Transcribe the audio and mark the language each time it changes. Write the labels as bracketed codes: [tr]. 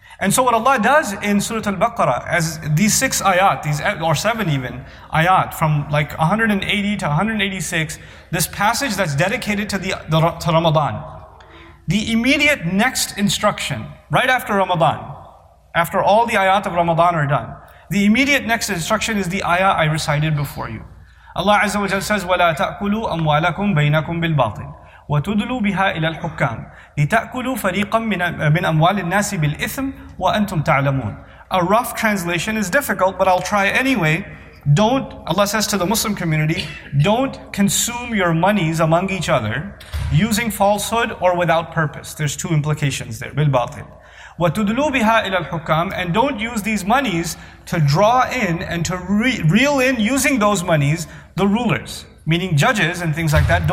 [en] And so what Allah does in Surah Al-Baqarah, as these six ayat, these or seven even, ayat, from like 180 to 186, this passage that's dedicated to Ramadan, the immediate next instruction, right after Ramadan, after all the ayat of Ramadan are done, the immediate next instruction is the ayah I recited before you. Allah Azza wa Jal says, [ar] وَلَا تَأْكُلُوا أَمْوَالَكُمْ بَيْنَكُمْ بِالْبَاطِلِ وَتُدْلُوا بِهَا إِلَى الْحُكَّامِ لِتَأْكُلُوا فَرِيقًا مِنْ أَمْوَالِ النَّاسِ بِالْإِثْمِ وَأَنْتُمْ تَعْلَمُونَ. [en] A rough translation is difficult, but I'll try anyway. Don't, Allah says to the Muslim community, don't consume your monies among each other using falsehood or without purpose. There's two implications there. [ar] بِالْبَاطِلِ وَتُدْلُوا بِهَا إِلَى الْحُكَّامِ. [en] And don't use these monies to draw in and to reel in using those monies the rulers, meaning judges and things like that.